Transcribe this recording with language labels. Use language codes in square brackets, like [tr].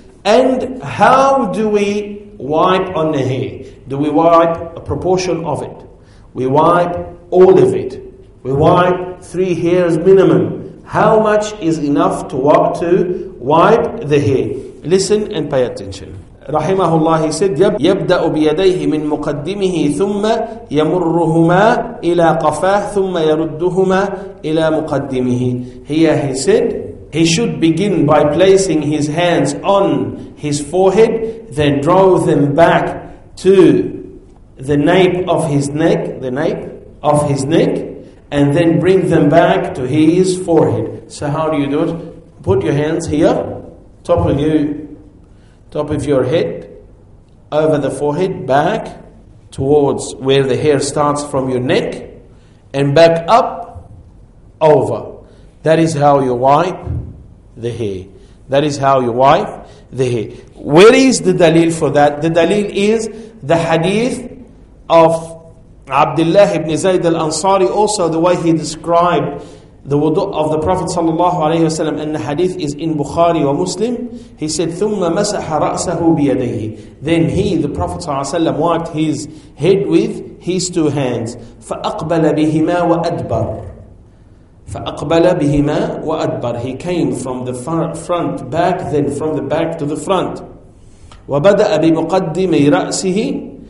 [en] And how do we wipe on the hair? Do we wipe a proportion of it? We wipe all of it. We wipe 3 hairs minimum. How much is enough to wipe the hair? Listen and pay attention. [ar] Rahimahullah, [en] he said, [ar] يَبْدَأُ بِيَدَيْهِ مِنْ مُقَدِّمِهِ ثُمَّ يَمُرُّهُمَا إِلَىٰ قَفَاهِ ثُمَّ يَرُدُّهُمَا إِلَىٰ مُقَدِّمِهِ. [en] Here he said, he should begin by placing his hands on his forehead, then draw them back to the nape of his neck, the nape of his neck, and then bring them back to his forehead. So how do you do it? Put your hands here, top of your head, over the forehead, back towards where the hair starts from your neck, and back up, over. That is how you wipe the hair. That is how you wipe the hair. Where is the dalil for that? The dalil is the hadith of Abdullah ibn Zayd al-Ansari, also the way he described the wudu of the Prophet sallallahu alaihi wasallam, and the hadith is in Bukhari wa Muslim. He said, [ar] ثُمَّ مَسَحَ رَأْسَهُ بِيَدَيْهِ. [en] Then he, the Prophet sallallahu alaihi wasallam, wiped his head with his two hands. [ar] فَأَقْبَلَ بِهِمَا وَأَدْبَرَ. فَأَقْبَلَ بِهِمَا وَأَدْبَرَ. [en] He came from the front back, then from the back to the front. [ar] وَبَدَأَ بِمُقَدِّمِ رَأْسِهِ.